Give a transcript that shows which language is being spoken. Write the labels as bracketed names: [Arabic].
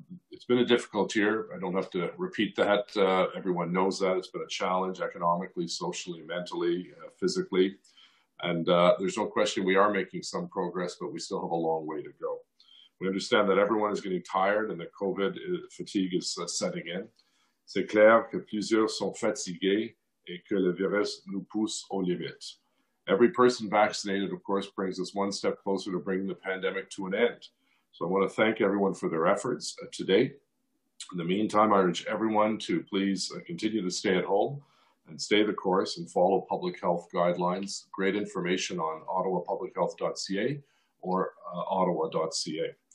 [English] It's been a difficult year. I don't have to repeat that. Everyone knows that. It's been a challenge economically, socially, mentally, physically. And there's no question we are making some progress, but we still have a long way to go. We understand that everyone is getting tired and that COVID fatigue is setting in. [French] C'est clair que plusieurs sont fatigués et que le virus nous pousse aux limites. [English] Every person vaccinated, of course, brings us one step closer to bringing the pandemic to an end. So I want to thank everyone for their efforts today. In the meantime, I urge everyone to please continue to stay at home and stay the course and follow public health guidelines. Great information on ottawapublichealth.ca or ottawa.ca.